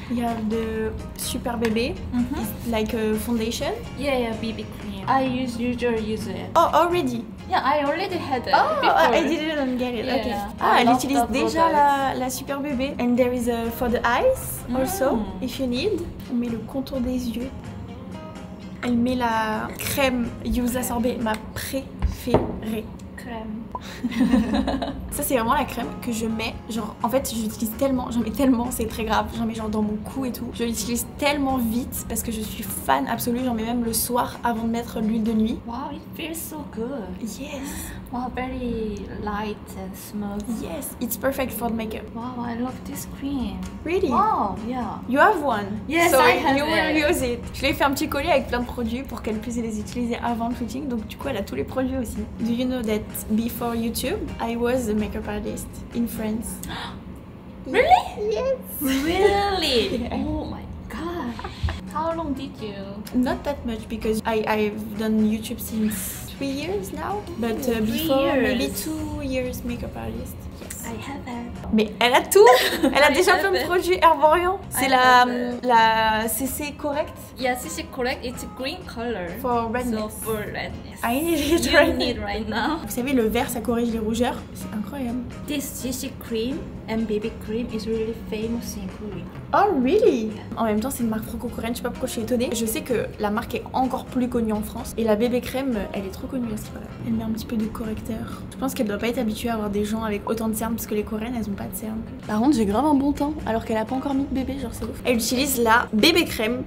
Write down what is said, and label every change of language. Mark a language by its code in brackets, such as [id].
[en] You have the Super Bébé, like a foundation. Yeah, yeah, BB cream. I usually use it. Oh, already? Yeah, I already had it. Oh, before. I didn't get it. Yeah. [fr] Okay. Ah, elle utilise déjà la Super Bébé. [en] And there is a for the eyes also, if you need. [fr] On met le contour des yeux. Elle met la crème Yuza Sorbet, ma préférée. Crème. Ça c'est vraiment la crème que je mets, genre en fait j'utilise tellement, j'en mets tellement, c'est très grave, j'en mets genre dans mon cou et tout. Je l'utilise tellement vite parce que je suis fan absolue, j'en mets même le soir avant de mettre l'huile de nuit. [en] Wow, it feels so good. Yes. Wow, very light and smooth. Yes, it's perfect for makeup. Wow, I love this cream. Really? Wow, yeah. You have one. Yes, so I have you will Use it. [fr] Je lui ai fait un petit collier avec plein de produits pour qu'elle puisse les utiliser avant le shooting. Donc du coup, elle a tous les produits aussi. [en] Do you know that before YouTube, I was a makeup artist in France? Really? Yes. Really? Yeah. Oh my gosh. How long did you? Not that much because I've done YouTube since 3 years now, but maybe 2 years makeup artist. Yes. I have [fr] it. Mais elle a tout. Elle a déjà plein de produits Herborian. C'est la CC Correct. [en] Yeah, CC Correct. It's a green color. For redness. So for redness. I need it right now. You need it right now. [fr] Vous savez, le vert, ça corrige les rougeurs. C'est incroyable. [en] This CC cream and BB cream is really famous in Korea. Oh really? Yeah. [fr] En même temps, c'est une marque franco-coréenne. Je sais pas pourquoi je suis étonnée. Je sais que la marque est encore plus connue en France et la BB crème, elle est trop connue aussi. Voilà. Elle met un petit peu de correcteur. Je pense qu'elle doit pas être habituée à avoir des gens avec autant de cernes parce que les coréennes, elles ont pas de cernes. Par contre, j'ai grave un bon teint alors qu'elle a pas encore mis de bébé, genre c'est ouf. Elle utilise la BB crème.